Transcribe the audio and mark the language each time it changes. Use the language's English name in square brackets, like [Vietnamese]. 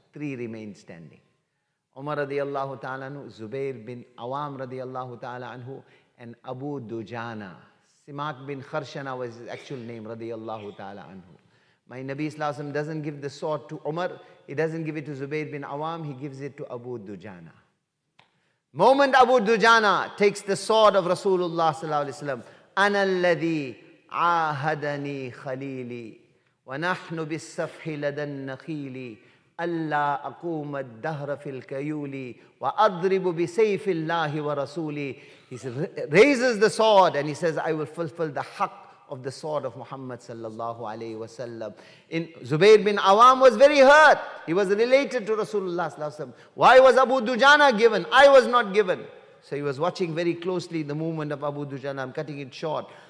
[English] Three remain standing. Umar radiallahu ta'ala anhu, Zubair bin Awam radiallahu ta'ala anhu, and Abu Dujana. Simak bin Kharshana was his actual name radiallahu ta'ala anhu. My Nabi sallallahu alayhi wa sallam doesn't give the sword to Umar. He doesn't give it to Zubair bin Awam. He gives it to Abu Dujana. Moment Abu Dujana takes the sword of Rasulullah sallallahu alayhi wa sallam, [Arabic] أَنَا الَّذِي عَاهَدَنِي خَلِيلِي وَنَحْنُ بِالسَّفْحِ لَدَى النَّخِيلِ أَلَّا أَقُومَ الدَّهْرَ فِي الْكَيُولِ وَأَضْرِبُ بِسَيْفِ اللَّهِ وَرَسُولِ. [English] He raises the sword and he says, I will fulfill the haqq of the sword of Muhammad sallallahu alayhi wa sallam. Zubair bin Awam was very hurt. He was related to Rasulullah sallallahu alayhi wa sallam. Why was Abu Dujana given? I was not given. So he was watching very closely the movement of Abu Dujana. I'm cutting it short.